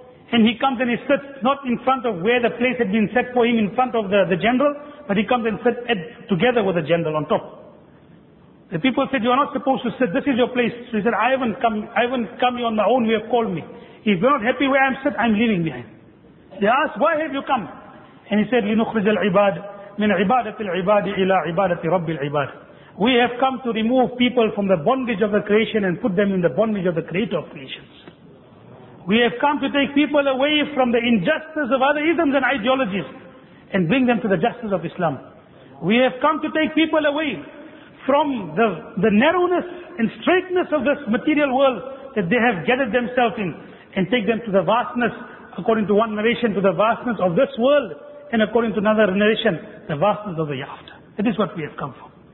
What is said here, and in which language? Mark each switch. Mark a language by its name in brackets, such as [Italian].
[English] And he comes and he sits not in front of where the place had been set for him, in front of the general, but he comes and sits together with the general on top. The people said, "You are not supposed to sit. This is your place." So he said, I haven't come here on my own. You have called me. If you're not happy where I'm sitting, I'm leaving behind." They asked, "Why have you come?" And he said, [Arabic] "لِنُخْرِجَ الْعِبَادِ مِنْ عِبَادَةِ الْعِبَادِ إِلَى عِبَادَةِ رَبِّ الْعِبَادِ." [English] We have come to remove people from the bondage of the creation and put them in the bondage of the creator of creations. We have come to take people away from the injustice of other isms and ideologies and bring them to the justice of Islam. We have come to take people away from the narrowness and straightness of this material world that they have gathered themselves in, and take them to the vastness, according to one narration, to the vastness of this world, and according to another narration, the vastness of the hereafter. That is what we have come for.